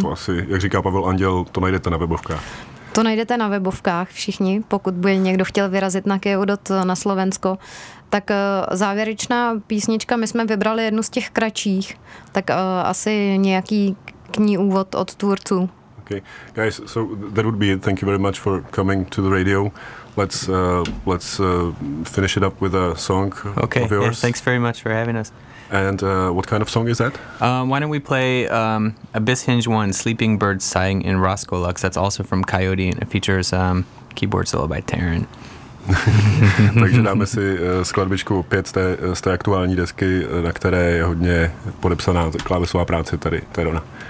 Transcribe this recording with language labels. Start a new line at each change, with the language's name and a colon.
Czech: To asi, jak říká Pavel Anděl, to najdete na webovkách. To najdete na webovkách všichni, pokud by někdo chtěl vyrazit na KO.DOT na Slovensko. Tak závěrečná písnička, my jsme vybrali jednu z těch kratších, tak asi nějaký k ní úvod od tvůrců.
English: Okay, guys, so that would be it. Thank you very much for coming to the radio. Let's finish it up with a song of yours. Okay, thanks very much for having us. And what kind of song is that? Why don't we play Abyss Hinge 1, Sleeping Bird Sighing in Roscoe Lux. That's also from Coyote, and it features keyboard solo by Taryn.
Czech: Takže dáme si skladbičku 5 z té aktuální desky, na které je hodně podepsaná klávesová práce tady Terona.